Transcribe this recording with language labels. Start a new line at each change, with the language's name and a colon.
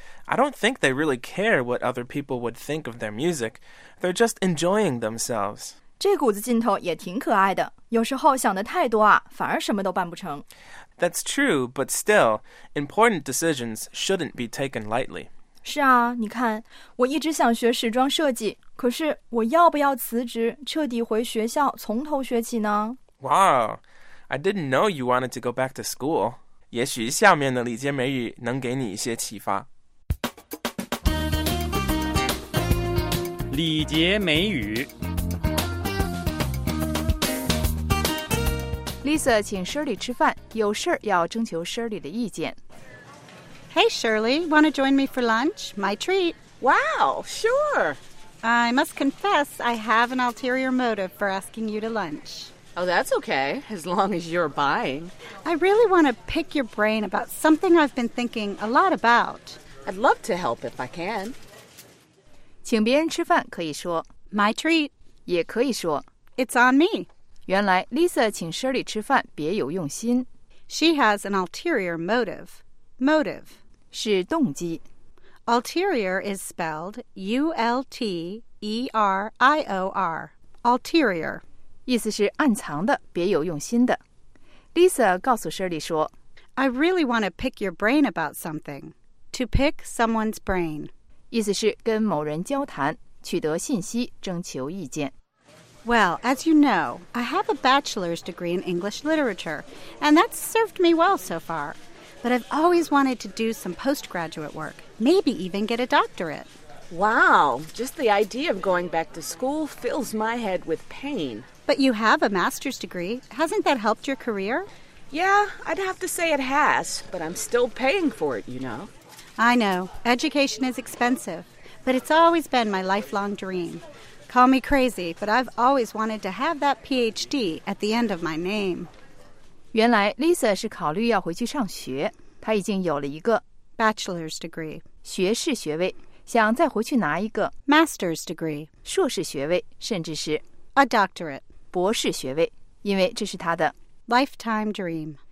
English: I don't think they really care what other people would think of their music. They're just enjoying themselves.
Chinese: 这股子劲头也挺可爱的，有时候想得太多啊，反而什么都办不成。
English: That's true, but still, important decisions shouldn't be taken lightly.
Chinese: 是啊，你看，我一直想学时装设计，可是我要不要辞职，彻底回学校，从头学起呢？
English: Wow, I didn't know you wanted to go back to school.
Chinese: 也许下面的理解美语能给你一些启发。理解美语。 Lisa 请 Shirley 吃饭，有事要征求 Shirley 的意见。
English: Hey Shirley, want to join me for lunch? My treat. Wow, sure. I must confess, I have an ulterior motive for asking you to lunch. Oh, that's okay, as long as you're buying. I really want to pick your brain about something I've been thinking a lot about. I'd love to help if I can.
Chinese: 请别人吃饭可以说
English: My treat.
Chinese: 也可以说
English: It's on me.
Chinese: 原来 Lisa 请 Shirley 吃饭别有用心。
English: She has an ulterior motive. Motive
Chinese: 是动机。
English: Ulterior is spelled U-L-T-E-R-I-O-R. Ulterior
Chinese: 意思是暗藏的，别有用心的。 Lisa 告诉 Shirley 说
English: I really want to pick your brain about something. To pick someone's brain
Chinese: 意思是跟某人交谈，取得信息，征求意见。
English: Well, as you know, I have a bachelor's degree in English literature, and that's served me well so far. But I've always wanted to do some postgraduate work, maybe even get a doctorate. Wow, just the idea of going back to school fills my head with pain. But you have a master's degree. Hasn't that helped your career? Yeah, I'd have to say it has, but I'm still paying for it, you know. I know, education is expensive, but it's always been my lifelong dream. Call me crazy, but I've always wanted to have that PhD at the end of my name.
Chinese: 原来 Lisa 是考虑要回去上学，她已经有了一个
English: bachelor's degree
Chinese: 学士学位，想再回去拿一个
English: master's degree
Chinese: 硕士学位，甚至是
English: a doctorate
Chinese: 博士学位，因为这是她的
English: lifetime dream